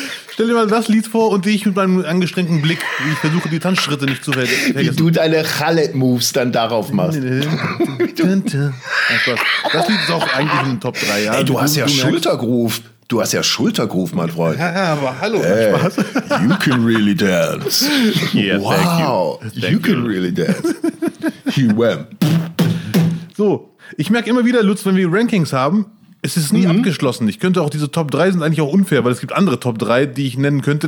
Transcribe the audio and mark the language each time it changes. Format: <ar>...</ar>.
<de>Stell dir mal das Lied vor und dich mit meinem angestrengten Blick, wie ich versuche, die Tanzschritte nicht zu vergessen. Wie du deine Chalet-Moves dann darauf machst. Das Lied ist auch eigentlich in den Top 3, ja. Ey, du hast ja Schultergroove. Du hast ja Schultergroove, mein Freund. Ja, aber hallo, hey, Spaß.</de> <en>You can really dance. Yeah, wow, thank you can really dance. He wham.</en> <de>So, ich merke immer wieder, Lutz, wenn wir Rankings haben, es ist nie abgeschlossen. Ich könnte auch, diese Top 3 sind eigentlich auch unfair, weil es gibt andere Top 3, die ich nennen könnte.</de>